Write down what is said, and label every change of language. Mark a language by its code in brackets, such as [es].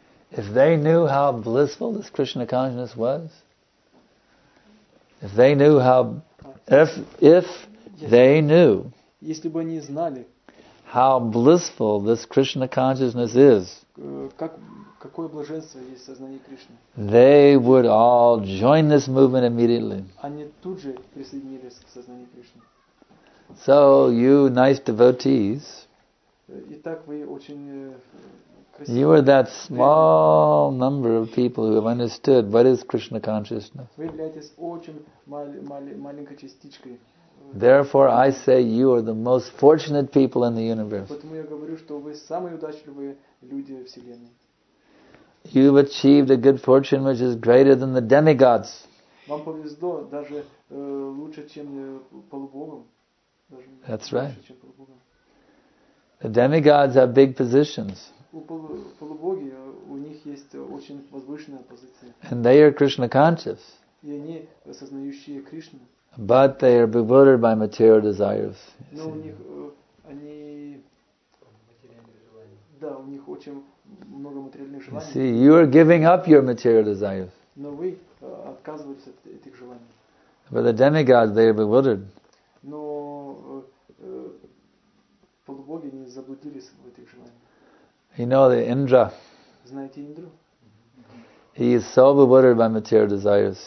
[en] If they knew how blissful this Krishna consciousness was, if they knew how blissful this Krishna consciousness is, [ru] какое блаженство есть сознание Кришны, [en] they would all join this movement immediately. [ru] Они тут же присоединились к сознанию Кришны. [en] So you nice devotees, [ru] итак, вы очень, [en] you are that small number of people who have understood what is Krishna consciousness. [ru] Вы являетесь очень маленькой частичкой. [en] Therefore, I say you are the most fortunate people in the universe. [ru] Поэтому я говорю, что вы самые удачливые люди во вселенной. [en] You've achieved a good fortune which is greater than the demigods. [ru] Вам повезло даже лучше, чем полубогам. [en] That's right. The demigods have big positions. [ru] У полубоги, у них есть очень возвышенная позиция. [en] And they are Krishna conscious. [ru] И они осознающие Кришну. [en] But they are bewildered by material desires. [ru] Но у них они да, у них очень много материальных желаний. [en] See, you are giving up your material desires. [ru] Но вы отказываетесь от этих желаний. [en] But the demigods, they are bewildered. [ru] Но полубоги не заблудились в этих желаниях. [en] You know the Indra. [ru] Знаете Индру? [en] He is so bewildered by material desires.